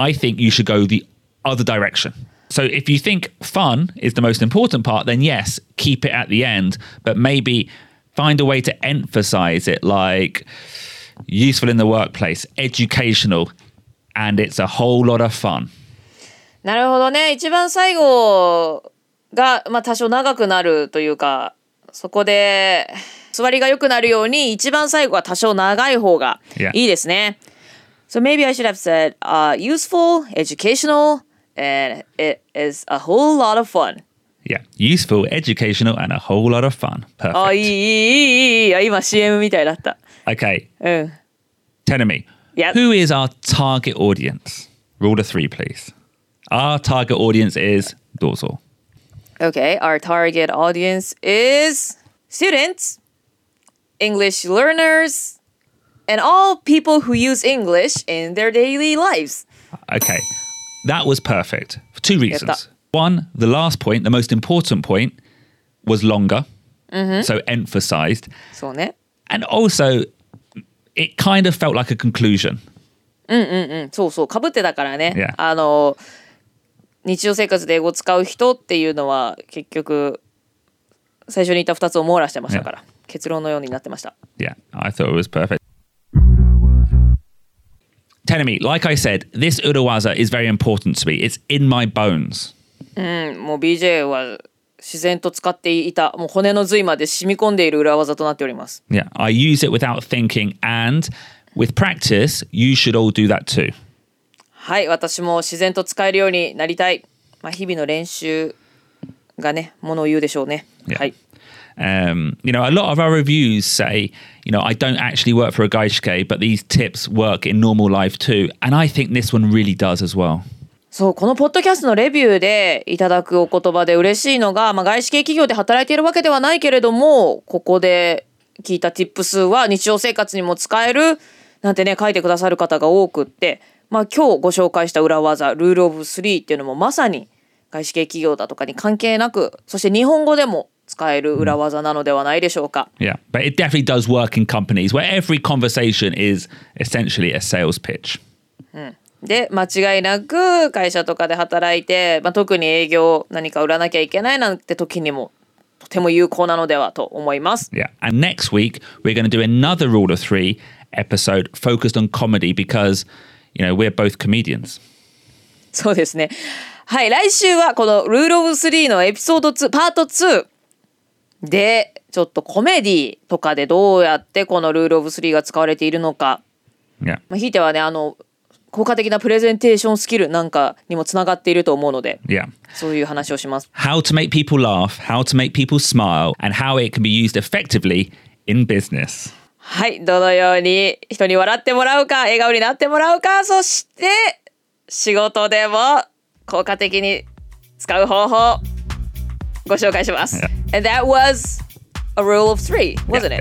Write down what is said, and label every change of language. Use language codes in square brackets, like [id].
[en] I think you should go the other direction. So if you think fun is the most important part, then yes, keep it at the end. But maybe find a way to emphasize it, like useful in the workplace, educational, and it's a whole lot of fun. [ja] なるほどね。一番最後が、まあ、多少長くなるというか、そこで座りが良くなるように一番最後は多少長い方がいいですね。 [en] Yeah. So maybe I should have said, useful, educational,And it is a whole lot of fun. Yeah, useful, educational, and a whole lot of fun. Perfect. [ja] Oh, いい。今 CM みたいだった。 [en] Okay. Tell me, who is our target audience? Rule of three, please. Our target audience is, [ja] どうぞ。 [en] Okay, our target audience is students, English learners, and all people who use English in their daily lives. Okay. That was perfect for two reasons. One, the last point, the most important point, was longer, so emphasized. [ja] そうね。 [en] And also, it kind of felt like a conclusion. [ja] そうそう、かぶってたからね。 [en] Yeah. [ja] あの、日常生活で英語使う人っていうのは結局最初に言った2つを網羅してましたから、結論のようになってました。 [en] Yeah, I thought it was perfect. Tell me, like I said, this urawaza is very important to me. It's in my bones. [ja] もう BJ は自然と使っていた、もう骨の髄まで染み込んでいる裏技となっております。 [en] Yeah, I use it without thinking, and with practice, you should all do that too. [ja] はい、私も自然と使えるようになりたい。まあ日々の練習がね、ものを言うでしょうね。 Yeah. はい。 [en] You know, a lot of our reviews say, you know, I don't actually work for a 外資系, but these tips work in normal life too. And I think this one really does as well. [ja] そう、このポッドキャストのレビューでいただくお言葉で嬉しいのが、まあ、外資系企業で働いているわけではないけれども、ここで聞いた tips は日常生活にも使えるなんてね、書いてくださる方が多くって、まあ、今日ご紹介した裏技、ルールオブ3っていうのもまさに外資系企業だとかに関係なく、そして日本語でも使える裏技なのではないでしょうか。 [en] Yeah, but it definitely does work in companies where every conversation is essentially a sales pitch. [ja] で、間違いなく会社とかで働いて、まあ、特に営業何か売らなきゃいけないなんて時にもとても有効なのではと思います。 [en] Yeah, and next week we're going to do another rule of three episode focused on comedy because, you know, we're both comedians. [ja] そうですね。はい、来週はこの rule of three のエピソード2、パート2で、ちょっとコメディとかでどうやってこのルールオブスリーが使われているのか。 [en] Yeah. [ja] まあ、ひいてはね、あの、効果的なプレゼンテーションスキルなんかにもつながっていると思うので。 [en] Yeah. [ja] そういう話をします。 [en] How to make people laugh, how to make people smile, and how it can be used effectively in business. [ja] はい、どのように人に笑ってもらうか、笑顔になってもらうか、そして仕事でも効果的に使う方法ご紹介します。 [en] Yeah. And that was a rule of three, wasn't it?